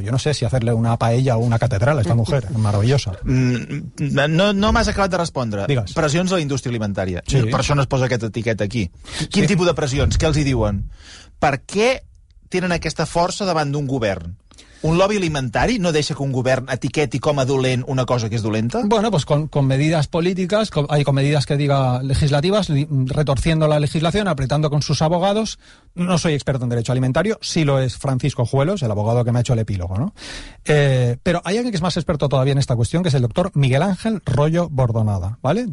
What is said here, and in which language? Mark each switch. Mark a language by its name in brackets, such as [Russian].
[Spanish] Yo no sé si hacerle una paella o una catedral a esta mujer. Maravillosa. [Catalan] No m'has acabat de respondre. Digues. Pressions a la indústria alimentària. Sí. Per això no es posa aquest etiquet aquí. Quin sí. tipus de pressions? Què els hi diuen? Per què tenen aquesta força davant d'un govern? ¿Un lobby alimentari no deixa que un govern etiqueti com a dolent una cosa que és dolenta? [Spanish] Bueno, pues con medidas políticas, con medidas que diga legislativas, retorciendo la legislación, apretando con sus abogados. No soy experto en derecho alimentario, sí lo es Francisco Juelos, el abogado que me ha hecho el epílogo, ¿no? Pero hay alguien que es más experto todavía en esta cuestión, que es el doctor Miguel Ángel Royo Bordonada, ¿vale?